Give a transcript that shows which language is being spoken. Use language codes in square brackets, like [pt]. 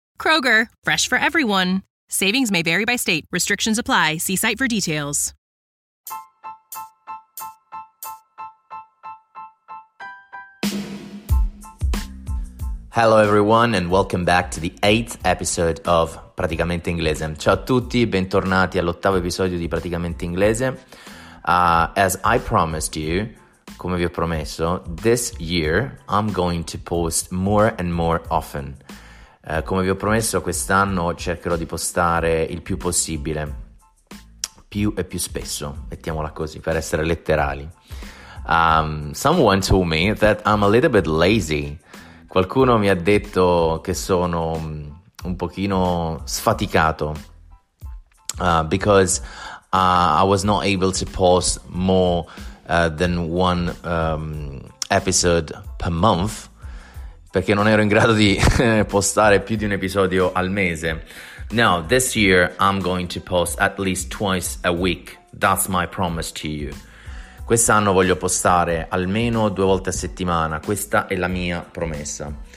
[en] Kroger, fresh for everyone. Savings may vary by state. Restrictions apply. See site for details. Hello everyone and welcome back to the 8th episode of Praticamente Inglese. [it] Ciao a tutti, bentornati all'8º episodio di Praticamente Inglese. [en] As I promised you, [it] come vi ho promesso, [en] this year I'm going to post more and more often. [it] Come vi ho promesso, quest'anno cercherò di postare il più possibile, più e più spesso, mettiamola così, per essere letterali. [en] Someone told me that I'm a little bit lazy. [it] Qualcuno mi ha detto che sono un pochino sfaticato [en] because I was not able to post more than one episode per month, [it] perché non ero in grado di postare più di un episodio al mese. [en] Now, this year I'm going to post at least twice a week. That's my promise to you. [it] Quest'anno voglio postare almeno due volte a settimana, questa è la mia promessa.